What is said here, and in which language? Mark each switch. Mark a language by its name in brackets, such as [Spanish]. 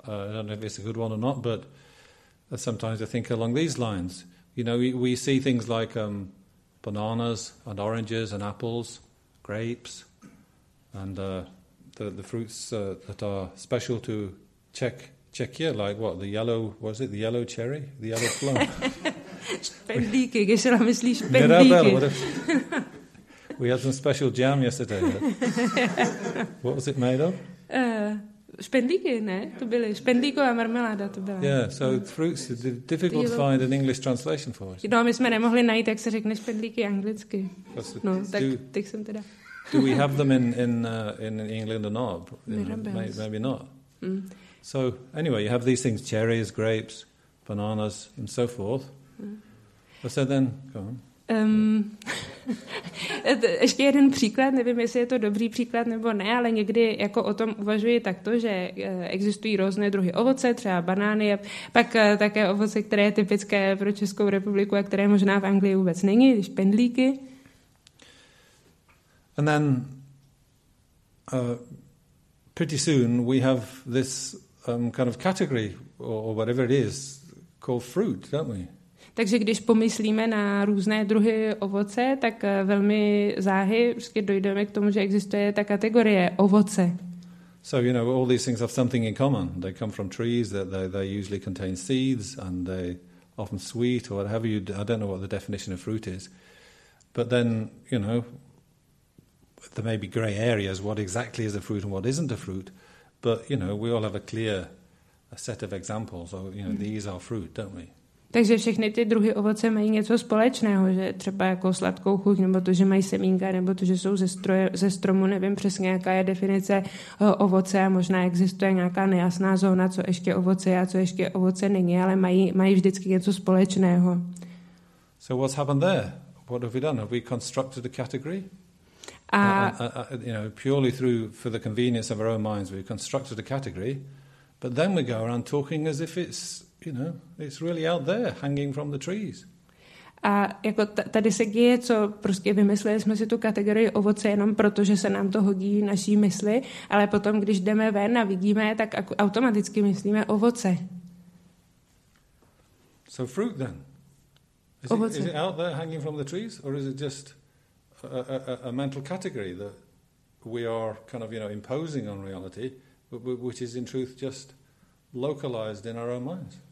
[English] I don't know if it's a good one or not, but sometimes I think along these lines. You know, we see things like bananas and oranges and apples, grapes, and the fruits that are special to Czechia, like what the yellow was it the yellow cherry, the yellow plum. [Czech] Špendlíky, když se namyslí špendlíky. [English] We had some special jam yesterday. What was it made of? [Czech] Špendlíky, ne? To byly špendlíková marmeláda, to byla. [English] Yeah, so fruits, difficult to find an English translation for it. [Czech] No, my jsme nemohli najít, jak se řekne špendlíky anglicky. No, tak teď jsem teda. [English] Do we have them in England or not? Maybe not. Mm. So anyway, you have these things, cherries, grapes, bananas, and so forth. So then, go on. [Czech] Ještě jeden příklad, nevím, jestli je to dobrý příklad nebo ne, ale někdy jako o tom uvažuji takto, že existují různé druhy ovoce, třeba banány, a pak také ovoce, které je typické pro Českou republiku a které možná v Anglii vůbec není, špendlíky. [English] And then pretty soon we have this kind of category or whatever it is called fruit, don't we? [Czech] Takže když pomyslíme na různé druhy ovoce, tak velmi záhy vždycky dojdeme k tomu, že existuje ta kategorie ovoce. [English] So you know, all these things have something in common. They come from trees, that they usually contain seeds and they often sweet or whatever you I don't know what the definition of fruit is. But then, you know, there may be grey areas what exactly is a fruit and what isn't a fruit, but you know, we all have a clear set of examples or you know, these are fruit, don't we? [Czech] Takže všechny ty druhy ovoce mají něco společného, že třeba jako sladkou chuť, nebo to, že mají semínka, nebo to, že jsou ze stromu, nevím přesně, jaká je definice ovoce a možná existuje nějaká nejasná zóna, co ještě ovoce je a co ještě ovoce není, ale mají vždycky něco společného. [English] So what's happened there? What have we done? Have we constructed a category? You know, purely through, for the convenience of our own minds, we've constructed a category, but then we go around talking as if it's you know, it's really out there, hanging from the trees. [Czech] A jako tady se děje, co prostě vymysleli jsme si tu kategorii ovoce jenom proto, že se nám to hodí naší mysli, ale potom, když jdeme ven a vidíme, tak automaticky myslíme ovoce. [English] So fruit then? [Czech] Ovoce. [English] Is it out there, hanging from the trees, or is it just a mental category that we are kind of, you know, imposing on reality, which is in truth just localized in our own minds?